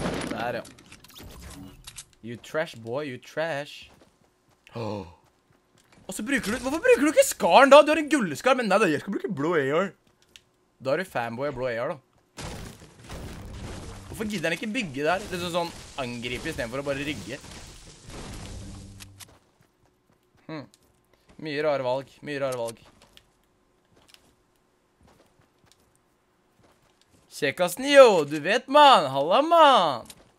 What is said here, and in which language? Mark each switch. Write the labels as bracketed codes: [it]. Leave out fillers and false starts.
[no] Der, ja. [en] You trash, boy. You trash. [no] Og så bruker du... Hvorfor bruker du ikke skaren da? Du har en gulleskar, men nei, da, jeg skal bruke blå AR. Da er du fanboy av blå AR, da. Hvorfor gidder han ikke bygge der? Det er sånn sånn angriper i stedet for å bare rygge. Mye rare valg, mye rare valg. Kjekkassen, jo! Du vet, mann! Halla, mann!